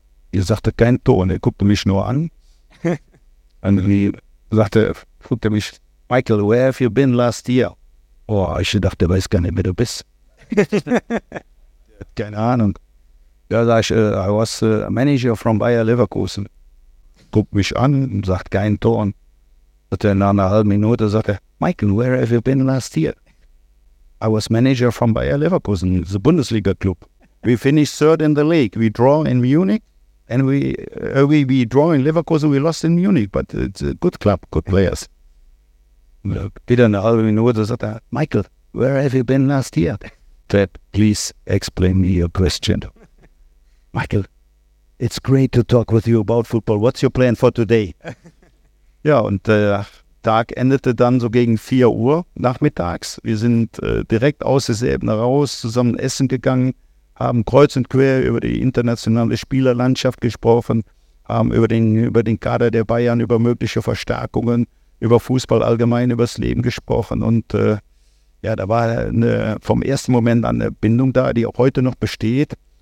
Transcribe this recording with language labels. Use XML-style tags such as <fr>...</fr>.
<de>Er sagte kein Ton. Er guckte mich nur an. Und fragte mich, Michael,</de> <en>where have you been last year?</en> <de>Oh, ich dachte, weiß gar nicht, wer du bist. Keine Ahnung. Ja, sag ich,</de> <en>I was a manager from Bayer Leverkusen.</en> <de>Guckt mich an und sagt keinen Ton. Nach einer halben Minute sagt er, Michael,</de> <en>where have you been last year? I was manager from Bayer Leverkusen, the Bundesliga club. We finished third in the league. We draw in Munich and we draw in Leverkusen. We lost in Munich, but it's a good club, good players.</en> <de>Wieder eine halbe Minute sagt er,</de> <en>Michael, where have you been last year? Pep, please explain me your question. Michael, it's great to talk with you about football. What's your plan for today?</en> <de>Ja, und der Tag endete dann so gegen 4 Uhr nachmittags. Wir sind direkt aus der Säbener raus, zusammen essen gegangen, haben kreuz und quer über die internationale Spielerlandschaft gesprochen, haben über den Kader der Bayern, über mögliche Verstärkungen, über Fußball allgemein, übers Leben gesprochen und da war vom ersten Moment an eine Bindung da, die auch heute noch besteht</de>